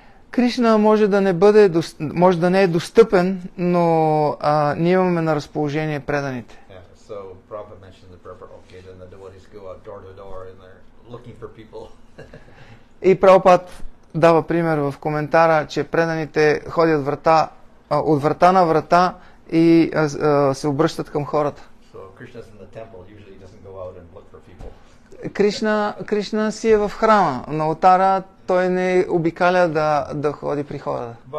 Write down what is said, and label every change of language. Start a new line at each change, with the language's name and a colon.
Bulgarian: Кришна може да не бъде, може да не е достъпен, но ние имаме на разположение преданите.
English: Yeah, so Prabhupada mentioned the proper okay, then the devotees go out door to door and they're looking for people.
Bulgarian: И Prabhupada дава пример в коментара, че преданите ходят врата, от врата на врата и се обръщат към хората.
English: So, Krishna's in the temple, usually he doesn't go out and look for people.
Bulgarian: Кришна си е в храма, на алтара, той не обикаля да, да ходи при хората.